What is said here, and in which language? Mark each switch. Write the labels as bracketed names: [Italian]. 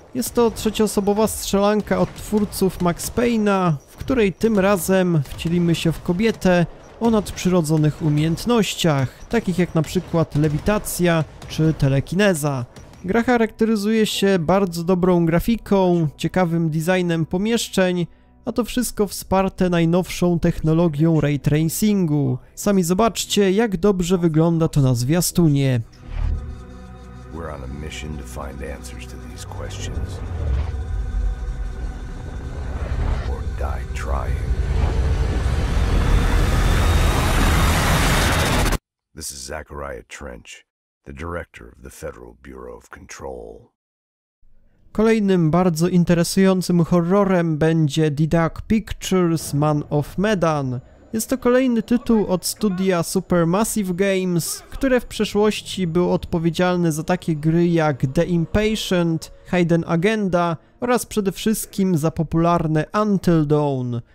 [Polish] Jest to trzecioosobowa strzelanka od twórców Max Payne'a, w której tym razem wcielimy się w kobietę o nadprzyrodzonych umiejętnościach, takich jak na przykład lewitacja czy telekineza. Gra charakteryzuje się bardzo dobrą grafiką, ciekawym designem pomieszczeń, a to wszystko wsparte najnowszą technologią ray tracingu. Sami zobaczcie, jak dobrze wygląda to na zwiastunie. [English] We're on a mission to find answers to these questions. Or die trying. This is Zachariah Trench, the director of the Federal Bureau of Control. [Polish] Kolejnym bardzo interesującym horrorem będzie Didac Pictures Man of Medan. Jest to kolejny tytuł od studia Supermassive Games, które w przeszłości było odpowiedzialne za takie gry jak The Impatient, Hidden Agenda oraz przede wszystkim za popularne Until Dawn.